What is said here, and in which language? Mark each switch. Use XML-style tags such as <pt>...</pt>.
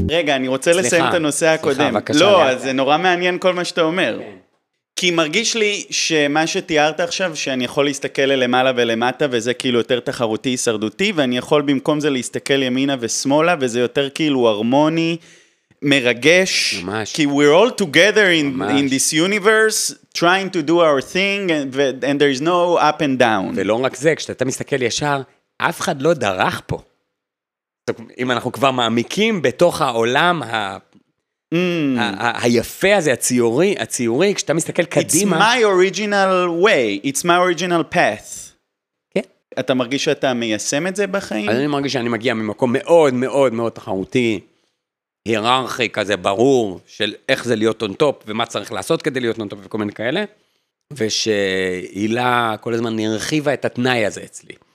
<he>רגע, אני רוצה לסיים את הנושא הקודם. לא, זה נורא מעניין כל מה שאתה אומר. כי מרגיש לי שמה שתיארת עכשיו, שאני יכול להסתכל למעלה ולמטה, וזה כאילו יותר תחרותי, הישרדותי, ואני יכול במקום זה להסתכל ימינה ושמאלה, וזה יותר כאילו הרמוני, מרגש. ממש. כי</he> <en>we're all together in this universe, trying to do our thing, and there is no up and down.</en> <he>ולא רק זה, כשאתה מסתכל ישר, אף אחד לא דרך פה. אם אנחנו כבר מעמיקים בתוך העולם ה... היפה הזה, הציורי, כשאתה מסתכל קדימה...</he> <en>It's my original way, it's my original path.</en> <he>כן. אתה מרגיש שאתה מיישם את זה בחיים? אני מרגיש שאני מגיע ממקום מאוד מאוד מאוד תחרותי, היררכי כזה ברור, של איך זה להיות</he> <en>on top,</en> <he>ומה צריך לעשות כדי להיות on top, וכל מיני כאלה, ושהילה כל הזמן נרחיבה את התנאי הזה אצלי.</he>